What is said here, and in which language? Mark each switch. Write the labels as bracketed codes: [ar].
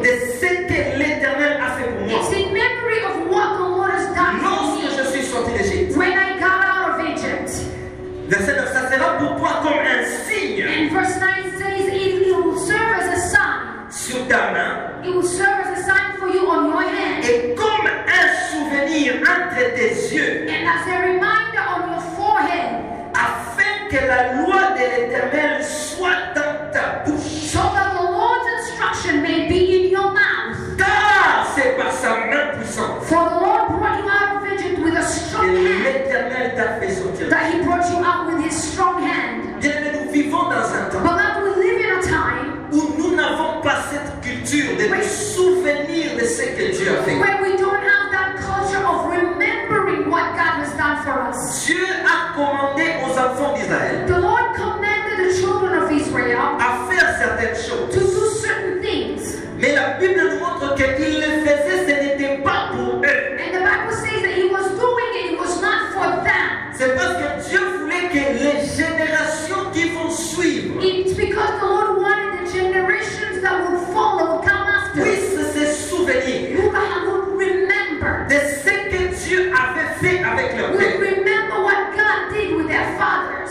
[fr] De ce que l'Éternel a fait pour moi. [en] It's in memory of what the Lord has done for me. [fr] Lorsque je suis sorti d'Égypte. [en] When I got out of Egypt. [fr] Verset 9, ça sera pour toi comme un signe. [en] And verse 9 says it will serve as a sign. [fr] Sur ta main. [en] It will serve as a sign for you on your hand. [fr] Et comme un souvenir entre tes yeux. [en] And as a reminder on your forehead. [fr] Afin que la loi de l'Éternel soit dans ta bouche. [en] So that the Lord's instruction may be in your mouth. [fr] Car c'est par sa main puissante. [en] For the Lord brought you out of Egypt with a strong hand. [fr] Et l'Éternel t'a fait sortir. [en] That he brought you out with his strong hand. [fr] Bien que nous vivons dans un temps. Où nous n'avons pas cette culture de nous souvenir de ce que Dieu a fait. [en] When we don't have that culture of remembering what God has done for us. [fr] Dieu a commandé aux enfants d'Israël. [en] The Lord commanded the children of Israel. [fr] À faire certaines choses. [en] To do certain things. [fr] Mais la Bible nous montre qu'il le faisait, ce n'était pas pour eux. [en] And the Bible says that he was doing it, it was not for them. [fr] C'est parce que Dieu voulait que les générations qui vont suivre. [en] It's because the Lord wanted generations that will follow, come after. [fr] Oui, se souvenir. [en] You will remember. [fr] De ce que Dieu avait fait avec leur père. [en] Will remember what God did with their fathers.